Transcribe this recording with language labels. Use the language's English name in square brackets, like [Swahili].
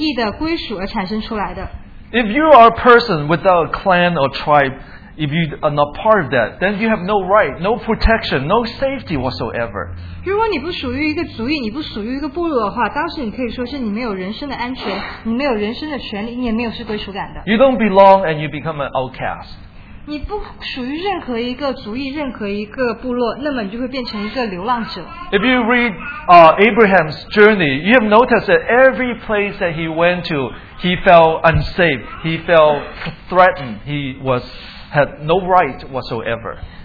[Chinese] 他们的权利和他们的身份，他们的自我意识，都是从那种对部落、对族裔的归属而产生出来的。 [English] If you are a person without a clan or tribe, if you are not part of that, then you have no right, no protection, no safety whatsoever. [Chinese] 如果你不属于一个族裔，你不属于一个部落的话，当时你可以说是你没有人生的安全，你没有人生的权利，你也没有是归属感的。 [English] You don't belong and you become an outcast. [Chinese] 你不属于任何一个族裔，任何一个部落，那么你就会变成一个流浪者。 [English] If you read Abraham's journey, you have noticed that every place that he went to, he felt unsafe, he felt threatened, he was had no right whatsoever.